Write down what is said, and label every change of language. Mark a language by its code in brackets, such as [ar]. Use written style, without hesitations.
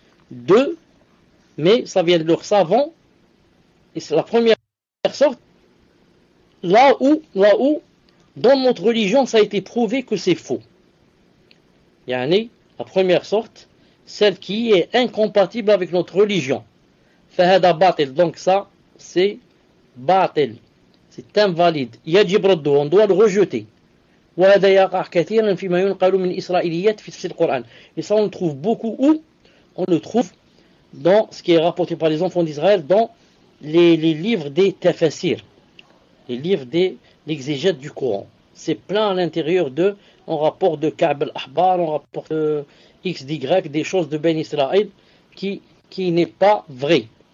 [fr] Deux, mais ça vient de leur savant. Et c'est la première sorte, là où, dans notre religion, ça a été prouvé que c'est faux. Yani, la première sorte, celle qui est incompatible avec notre religion. [ar] فهذا باطل. [fr] Donc ça, c'est باطل. C'est invalide. [ar] يجب رده. [fr] On doit le rejeter. [ar] وهذا يقع كثيرا فيما ينقل من إسرائيليات في تفسير القرآن. [fr] Et ça, on le trouve beaucoup où? On le trouve dans ce qui est rapporté par les enfants d'Israël, dans les livres des tafassir, les livres des exégètes du Coran. C'est plein à l'intérieur de, on rapporte de Ka'b al-Ahbar, on rapporte X, Y, des choses de Ben Israël qui n'est pas vrai.